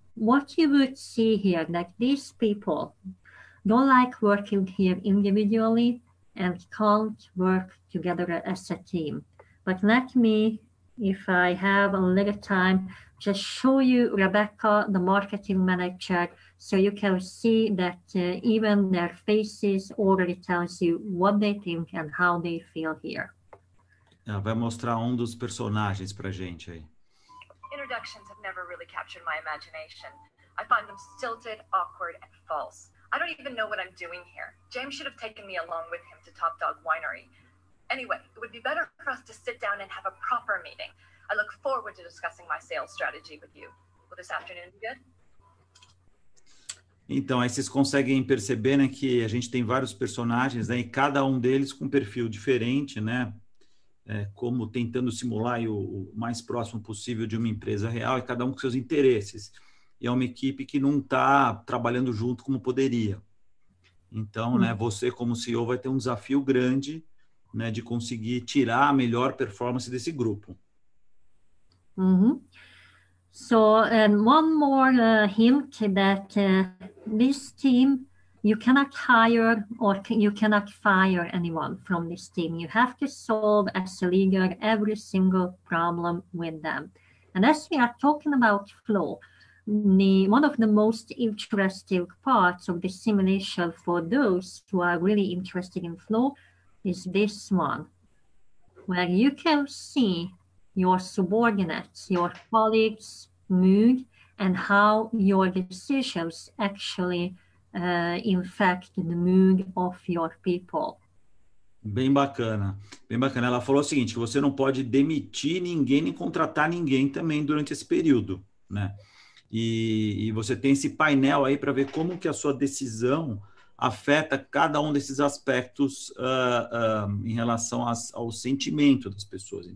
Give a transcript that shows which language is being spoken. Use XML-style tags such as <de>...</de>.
<en>What you would see here, that these people don't like working here individually and can't work together as a team. But let me, if I have a little time, just show you Rebecca, the marketing manager, so you can see that even their faces already tells you what they think and how they feel here.</en> <pt>Ela vai mostrar dos personagens pra gente aí.</pt> <en>Introductions have never really captured my imagination. I find them stilted, awkward, and false. I don't even know what I'm doing here. James should have taken me along with him to Top Dog Winery. Anyway, it would be better for us to sit down and have a proper meeting. I look forward to discussing my sales strategy with you. Will this afternoon be good?</en> <pt>Então, aí vocês conseguem perceber, né, que a gente tem vários personagens, né, e cada um deles com um perfil diferente, né? É, como tentando simular aí o mais próximo possível de uma empresa real e cada um com seus interesses. E é uma equipe que não está trabalhando junto como poderia. Então, né, você como CEO vai ter um desafio grande, né, de conseguir tirar a melhor performance desse grupo. Uhum.</pt> <en>So, one more hint that this team, you cannot hire or you cannot fire anyone from this team. You have to solve as a leader every single problem with them. And as we are talking about flow, one of the most interesting parts of the simulation for those who are really interested in flow is this one, where you can see your subordinates, your colleagues, mood, and how your decisions actually infect the mood of your people.</en> <pt>Bem bacana, bem bacana. Ela falou o seguinte, que você não pode demitir ninguém nem contratar ninguém também durante esse período, né? E você tem esse painel aí para ver como que a sua decisão afeta cada um desses aspectos em relação ao sentimento das pessoas.</pt>